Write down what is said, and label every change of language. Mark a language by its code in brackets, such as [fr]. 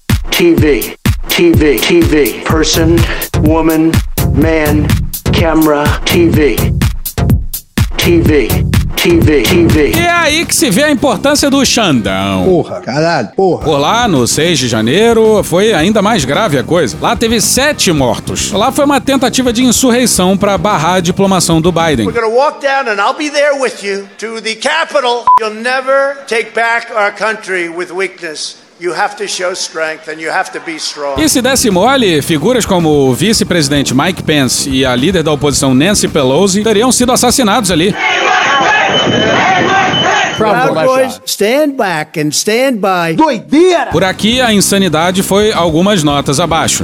[en] TV, TV, TV. Person, woman, man, camera, TV. TV. TV, TV. [pt] E é aí que se vê a importância do Xandão. Porra, caralho, porra. Por lá, no 6 de janeiro, foi ainda mais grave a coisa. Lá teve 7 mortos. Lá foi uma tentativa de insurreição pra barrar a diplomação do Biden. [en] We're gonna walk down and I'll be there with you to the Capitol. You'll never take back our country with weakness. You have to show strength and you have to be strong. [pt] E se desse mole, figuras como o vice-presidente Mike Pence e a líder da oposição Nancy Pelosi teriam sido assassinados ali. [en] Hey, Boys, stand back and stand by. [pt] Doideira! Por aqui, a insanidade foi algumas notas abaixo.